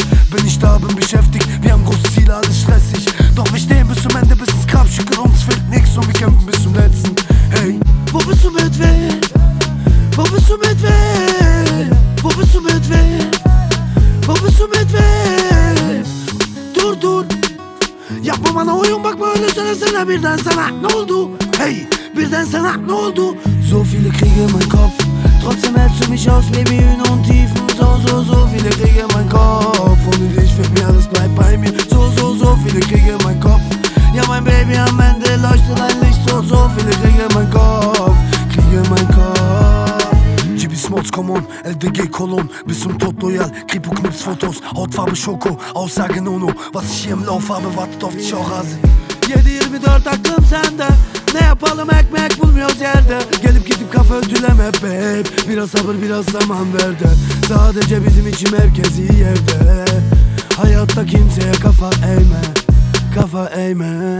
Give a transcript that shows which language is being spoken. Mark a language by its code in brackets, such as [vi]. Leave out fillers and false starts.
[de] Bin ich da, bin beschäftigt, wir haben großes Ziel, alles stressig. Doch wir stehen bis zum Ende, bis es Grabstück und uns fehlt nichts und wir kämpfen bis zum Letzten. Hey, wo bist du mit wem? Wo bist du mit wem? Wo bist du mit wem? Wo bist du mit wem? [tr] Dur, dur. Yapma bana oyun bakma öyle söylesene birden sana. Ne oldu? Hey, birden sana ne oldu? [de] So viele Kriege in mein Kopf. Trotzdem hältst du mich aus, Baby, Höhen und Tiefen. So, so, so viele Kriege in mein Kopf. Ohne dich fehlt mir alles, bleibt bei mir. So, so, so viele Kriege in mein Kopf. Ja, mein Baby, am Ende leuchtet ein Licht. So, so viele Kriege in mein Kopf. Kriege in mein Kopf. Smalls, [en] come on, [de] LDG, Cologne. Bis zum Tod loyal, Kripo, Knips, Fotos. Hautfarbe, Schoko, Aussage, Nono. Was ich hier im Lauf habe, wartet auf dich auch, Hase. [tr] 7-24, aklım sende. Ne yapalım, ekmek bulmuyoruz yerde. Gelip gidip kafa ödüleme, babe. Biraz sabır, biraz zaman ver de. Sadece bizim için merkezi yerde. Hayatta kimseye kafa eğme. Kafa eğme.